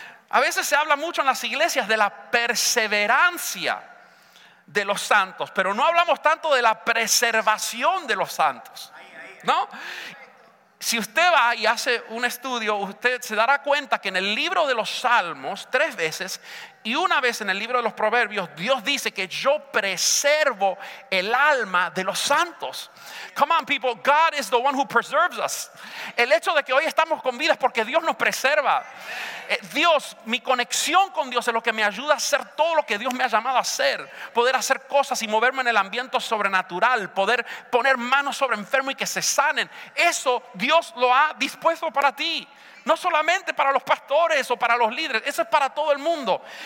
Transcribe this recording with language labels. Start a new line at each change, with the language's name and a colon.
Spanish: A veces se habla mucho en las iglesias de la perseverancia de los santos, pero no hablamos tanto de la preservación de los santos, ¿no? Si usted va y hace un estudio, usted se dará cuenta que en el libro de los Salmos, tres veces, y una vez en el libro de los Proverbios, Dios dice que yo preservo el alma de los santos.
English: Come on, people, God is the one who preserves us.
Spanish: El hecho de que hoy estamos con vida es porque Dios nos preserva. Dios, mi conexión con Dios es lo que me ayuda a hacer todo lo que Dios me ha llamado a hacer. Poder hacer cosas y moverme en el ambiente sobrenatural. Poder poner manos sobre enfermos y que se sanen. Eso Dios lo ha dispuesto para ti. No solamente para los pastores o para los líderes, eso es para todo el mundo.